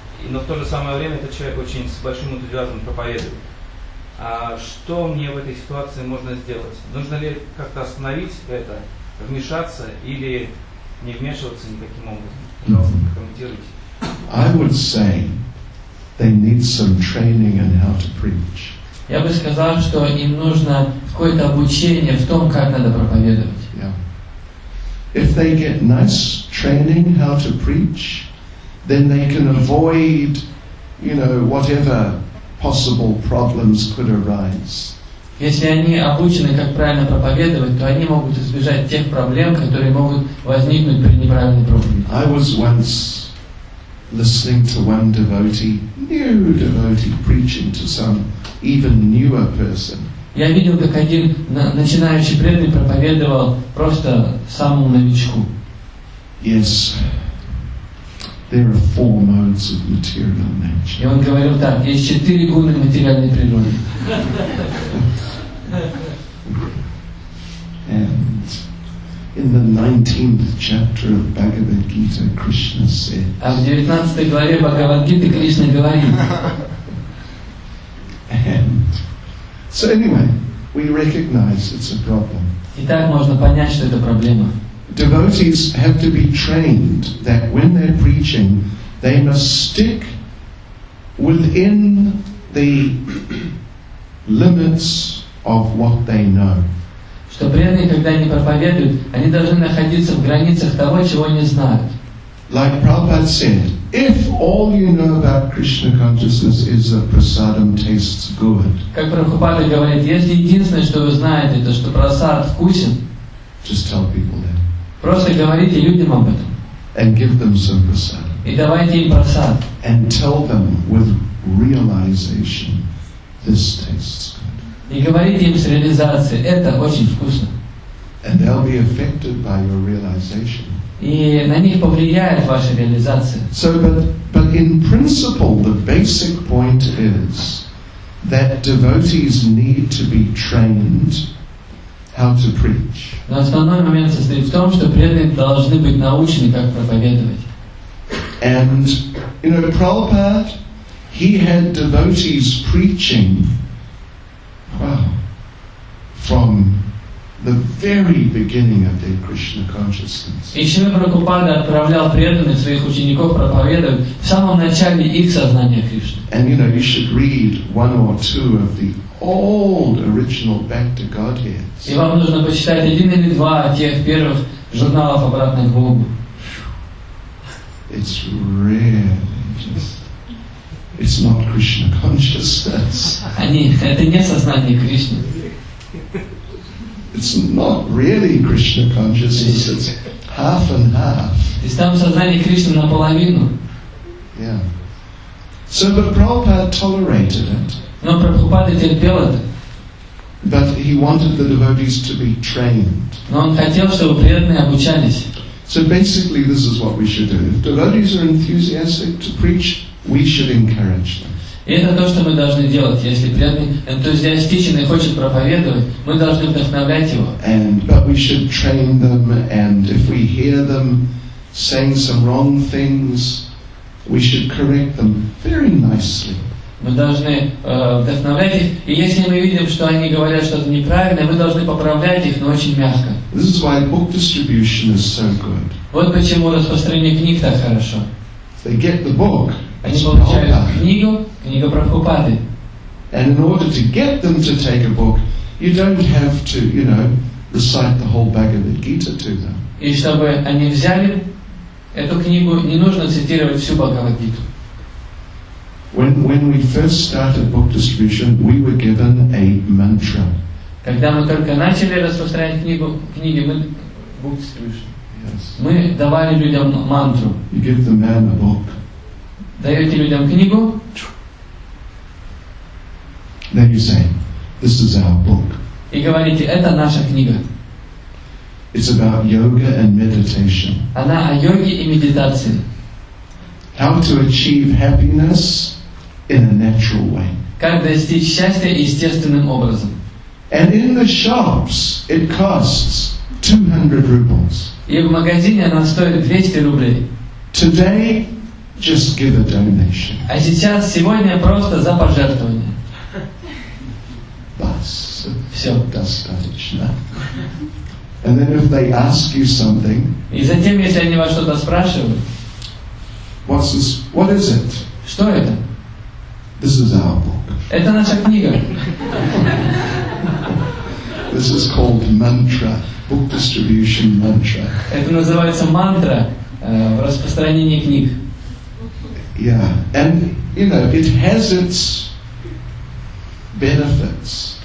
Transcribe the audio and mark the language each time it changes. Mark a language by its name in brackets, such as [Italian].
[Russian] но в то же самое время этот человек очень с большим энтузиазмом проповедует. А что мне в этой ситуации можно сделать? Нужно ли как-то остановить это, вмешаться или не вмешиваться никаким образом? Пожалуйста, прокомментируйте. [English] I would say they need some training on how to preach. [Russian] Я бы сказал, что им нужно какое-то обучение в том, как надо проповедовать. [English] If they get nice training how to preach, then they can avoid, you know, whatever possible problems could arise. [Russian] Если они обучены, как правильно проповедовать, то они могут избежать тех проблем, которые могут возникнуть при неправильной проповеди. [English] I was once listening to one devotee, new devotee, preaching to some even newer person. [Russian] Я видел, как один начинающий преданный проповедовал просто самому новичку. [English] Yes, there are four modes of material nature. [Russian] И он говорил так: есть четыре гуны материальной природы. [English] And in the 19th chapter of Bhagavad Gita, Krishna said. [Russian] А в 19 главе Бхагавад Гиты Кришна говорит. [English] So anyway, we recognize it's a problem. [Russian] Итак, можно понять, что это проблема. [English] Devotees have to be trained that when they're preaching, they must stick within the limits of what they know. [Russian] Что преданные, когда они проповедуют, они должны находиться в границах того, чего они знают. [English] Like Prabhupada said, if all you know about Krishna consciousness is that prasadam tastes good, [Russian] как Прабхупада говорит, если единственное, что вы знаете, то что прасад вкусен, [English] just tell people that. [Russian] Просто говорите людям об этом. [English] And give them some prasad. [Russian] И давайте им прасад. [English] And tell them with realization, this tastes good. [Russian] И говорите им с реализацией, это очень вкусно. [English] And they'll be affected by your realization. [Russian] И на них повлияет ваша реализация. [English] So, but in principle, the basic point is that devotees need to be trained how to preach. [Russian] Но основной момент состоит в том, что преданные должны быть научены, как проповедовать. [English] And, you know, Prabhupada, he had devotees preaching, wow, from the very beginning of their Krishna consciousness. [Russian] И Шрила Прабхупада отправлял преданных своих учеников проповедовать в самом начале их сознания Кришны. [English] And you know, you should read one or two of the old original Back to Godheads. [Russian] И вам нужно почитать один или два тех первых журналов обратно к Богу. [English] It's really just, it's not Krishna consciousness. [Russian] Они, это не сознание Кришны. [English] It's not really Krishna consciousness, it's half and half. [Russian] Is там сознание Кришны наполовину? [English] Yeah. So but Prabhupada tolerated it. [Russian] Но Прабхупада терпел это. [English] But he wanted the devotees to be trained. [Russian] Но он хотел, чтобы преданные обучались. [English] So basically this is what we should do. If devotees are enthusiastic to preach, we should encourage them. [Russian] И это то, что мы должны делать. Если преданный энтузиастичен и хочет проповедовать, мы должны вдохновлять его. [English] But we should train them, and if we hear them saying some wrong things, we should correct them very nicely. [Russian] Мы должны вдохновлять их, и если мы видим, что они говорят что-то неправильное, мы должны поправлять их, но очень мягко. [English] This is why book distribution is so good. [Russian] Вот почему распространение книг так хорошо. [English] They get the book. [Russian] Они получают книгу, книга Прабхупады. [English] And in order to get them to take a book, you don't have to, you know, recite the whole Bhagavad Gita to them. [Russian] И чтобы они взяли эту книгу, не нужно цитировать всю Бхагавад Гиту. [English] When we first started book distribution, we were given a mantra. [Russian] Когда мы только начали распространять книгу, книги мы [English] book distribution. Yes. [Russian] Мы давали людям мантру. [English] You give the man the book. [Russian] Даете людям книгу. [English] Then you say, this is our book. [Russian] И говорите, это наша книга. [English] It's about yoga and meditation. [Russian] Она о йоге и медитации. [English] How to achieve happiness in a natural way. [Russian] Как достичь счастья естественным образом. [English] And in the shops, it costs 200 rubles. [Russian] И в магазине она стоит 200 рублей. [English] Today, Just give a donation. [Russian] А сейчас, сегодня просто за пожертвование. Бас. Все. Достаточно. [English] And then if they ask you something, [Russian] и затем, если они вас что-то спрашивают, [English] what's this, what is it? [Russian] Что это? [English] This is our book. [Russian] Это наша книга. [English] This is called Mantra, book distribution mantra. [Russian] Это называется мантра в распространении книг. [English] Yeah, and you know, it has its benefits.